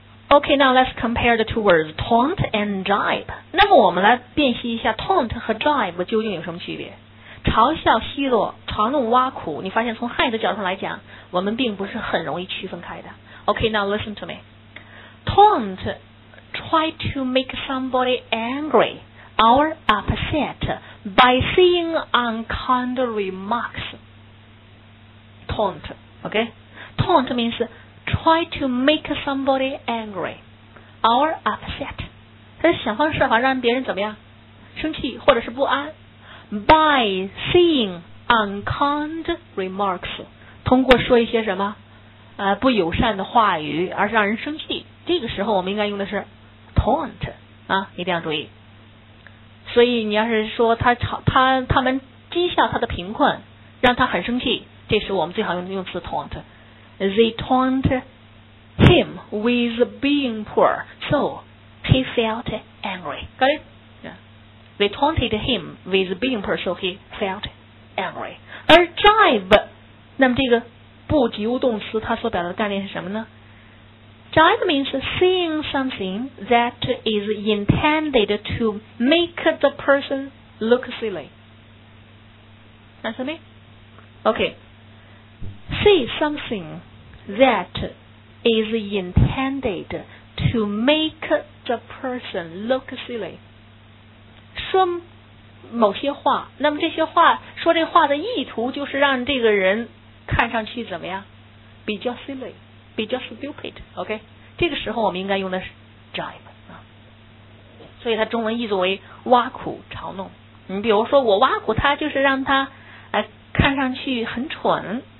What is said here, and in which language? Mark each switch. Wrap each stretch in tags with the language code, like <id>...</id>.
<en>Okay, now let's compare the two words, taunt and jibe.</en> <zh>那么我们来辨析一下 taunt 和 jibe 究竟有什么区别。嘲笑、奚落、嘲弄、挖苦，你发现从汉语的角度来讲，我们并不是很容易区分开的。</zh> <en>Okay, now listen to me. Taunt, try to make somebody angry or upset by saying unkind remarks. Taunt, okay? Taunt means... Try to make somebody angry or upset.</en> <zh>他是想方设法让别人怎么样生气或者是不安。</zh> <en>By saying unkind remarks,</en> <zh>通过说一些什么不友善的话语而是让人生气。这个时候我们应该用的是 taunt, 啊一定要注意。所以你要是说他们讥笑他的贫困让他很生气，这时我们最好用词 taunt.</zh> <en>They taunt him with being poor, so he felt angry. Got it? Yeah. They taunted him with being poor, so he felt angry.</en> <zh>而 jibe, 那么这个不及物动词它所表达的概念是什么呢？</zh> <en>Jibe means saying something that is intended to make the person look silly. Understand me? Okay. Say somethingThat is intended to make the person look silly.</en> <zh>说某些话，那么这些话说这话的意图就是让这个人看上去怎么样？比较 silly， 比较 stupid. OK， 这个时候我们应该用的是 jibe 啊。所以它中文译作为挖苦、嘲弄。你比如说我挖苦他，就是让他看上去很蠢。</zh>